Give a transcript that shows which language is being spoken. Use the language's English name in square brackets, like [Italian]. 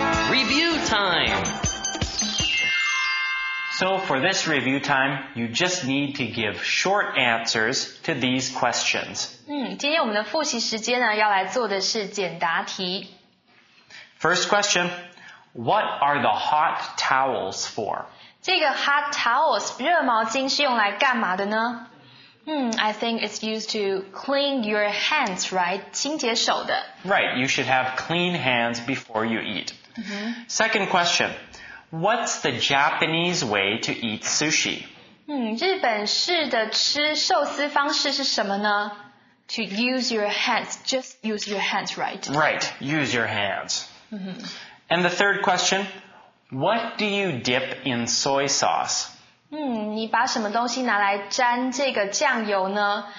[English] Review time! So for this review time, you just need to give short answers to these questions. [Chinese] 今天我们的复习时间呢，要来做的是简答题。 [English] First question, what are the hot towels for? [Chinese] 这个 hot towels, 热毛巾是用来干嘛的呢？ [English] I think it's used to clean your hands, right? [Chinese] 清洁手的。 [English] Right, you should have clean hands before you eat.、 Mm-hmm. Second question,What's the Japanese way to eat sushi? [Chinese] 日本式的吃寿司方式是什么呢? [English] To use your hands, just use your hands, right? Right, use your hands.、 Mm-hmm. And the third question, what do you dip in soy sauce? [Chinese] 你把什么东西拿来沾这个酱油呢?